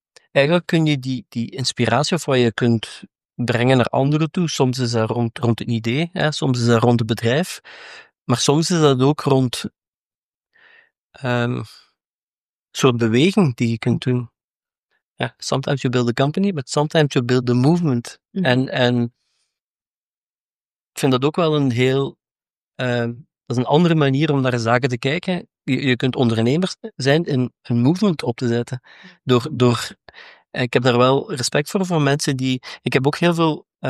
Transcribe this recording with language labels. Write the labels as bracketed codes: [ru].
[nl] Eigenlijk kun je die inspiratie of wat je kunt... brengen naar anderen toe. Soms is dat rond een idee, hè. Soms is dat rond het bedrijf. Maar soms is dat ook rond soort beweging die je kunt doen. Ja, [en] sometimes you build a company, but sometimes you build a movement. Mm-hmm. [nl] En ik vind dat ook wel een heel... dat is een andere manier om naar zaken te kijken. Je kunt ondernemer zijn in een movement op te zetten. Door ik heb daar wel respect voor mensen die... Ik heb ook heel veel...